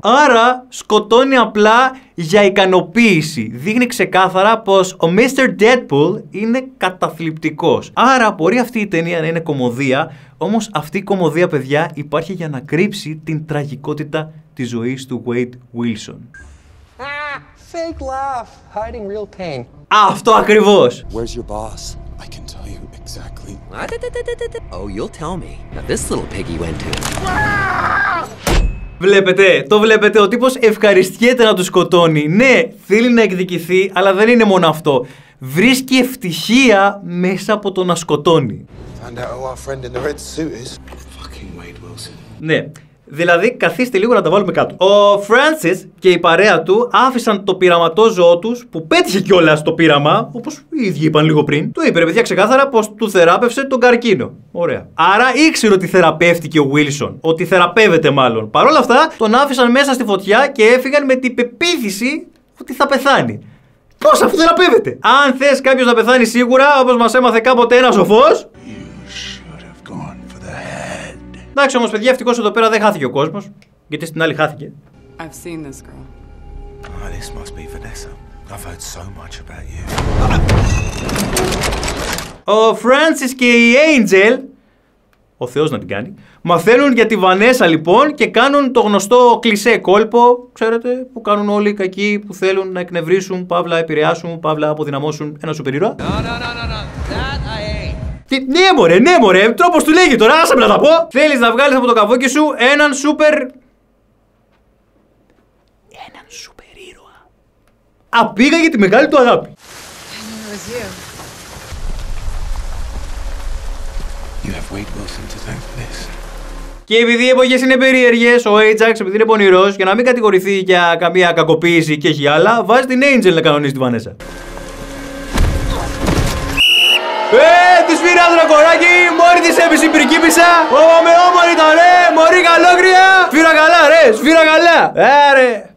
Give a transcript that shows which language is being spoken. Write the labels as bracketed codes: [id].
[el] Άρα, σκοτώνει απλά για ικανοποίηση. Δείχνει ξεκάθαρα πως ο Mr. Deadpool είναι καταθλιπτικός. Άρα, μπορεί αυτή η ταινία να είναι κωμωδία, όμως αυτή η κωμωδία, παιδιά, υπάρχει για να κρύψει την τραγικότητα της ζωής του Wade Wilson. [en] Fake laugh, hiding real pain. [el] Αυτό ακριβώς! [en] Where's your boss? I can tell. tell you exactly. Oh, you'll tell me. Now this little piggy went to. [el] Βλέπετε, το βλέπετε, ο τύπος ευχαριστιέται να του σκοτώνει. Ναι, θέλει να εκδικηθεί, αλλά δεν είναι μόνο αυτό. Βρίσκει ευτυχία μέσα από το να σκοτώνει. Ναι, δηλαδή καθίστε λίγο να τα βάλουμε κάτω. Ο Francis και η παρέα του άφησαν το πειραματόζωό τους, που πέτυχε κιόλας το πείραμα, όπως οι ίδιοι είπαν λίγο πριν. Το είπε, παιδιά, ξεκάθαρα πως του θεράπευσε τον καρκίνο. Ωραία. Άρα ήξερε ότι θεραπεύτηκε ο Wilson. Ότι θεραπεύεται μάλλον. Παρ' όλα αυτά, τον άφησαν μέσα στη φωτιά και έφυγαν με την πεποίθηση ότι θα πεθάνει. Πώς αφού θεραπεύεται! Αν θες κάποιος να πεθάνει σίγουρα, όπως μας έμαθε κάποτε ένας σοφός. Εντάξει όμως, παιδιά, ευτυχώς εδώ πέρα δεν χάθηκε ο κόσμος. Γιατί στην άλλη χάθηκε. [en] I've seen this girl. Oh, this must be Vanessa. I've heard so much about you. [el] Ο Francis και η Angel, ο Θεός να την κάνει, μαθαίνουν για τη Βανέσα λοιπόν και κάνουν το γνωστό κλισέ κόλπο, ξέρετε, που κάνουν όλοι οι κακοί που θέλουν να εκνευρίσουν, παύλα επηρεάσουν, παύλα αποδυναμώσουν ένα σούπερ ήρωα. Ναι μωρέ, τρόπος του λέγει τώρα, άσε με να τα πω! Θέλεις να βγάλεις από το καβούκι σου έναν σούπερ... έναν σούπερ ήρωα. Απήγαγε τη μεγάλη του αγάπη. [en] You have Wade Wilson to thank for this. [el] Και επειδή οι εποχές είναι περίεργες, ο Ajax, επειδή είναι πονηρός, για να μην κατηγορηθεί για καμία κακοποίηση και έχει άλλα, βάζει την Angel να κανονίσει τη Βανέσα. Τη σφύρα, δρακοράκι! Μόρι τη έπεισε η πρικίπισσα! Με όμορφη τα ρε! Μωρή καλόγρια! Σφύρα καλά, ρε! Σφύρα καλά! Άρε!